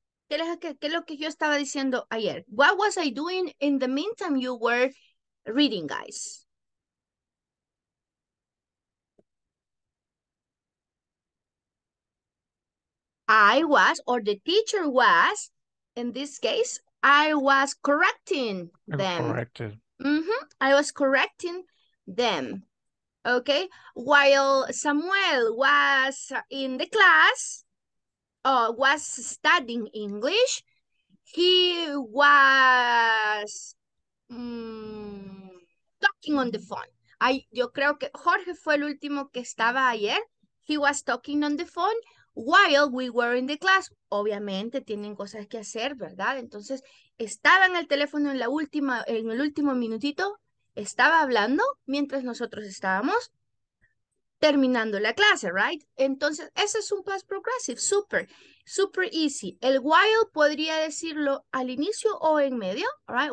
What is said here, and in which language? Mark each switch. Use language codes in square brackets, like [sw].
[es] ¿Qué es lo que yo estaba diciendo ayer? [en] What was I doing in the meantime you were reading, guys? I was, or the teacher was, in this case, I was correcting them. Corrected. I was correcting them. Okay. While Samuel was in the class, was studying English, he was talking on the phone. [es] Yo creo que Jorge fue el último que estaba ayer. [en] He was talking on the phone while we were in the class. [es] Obviamente tienen cosas que hacer, ¿verdad? Entonces, estaba en el teléfono en el último minutito, estaba hablando mientras nosotros estábamos terminando la clase, right? Entonces, ese es un past progressive, super, super easy. El while podría decirlo al inicio o en medio, right?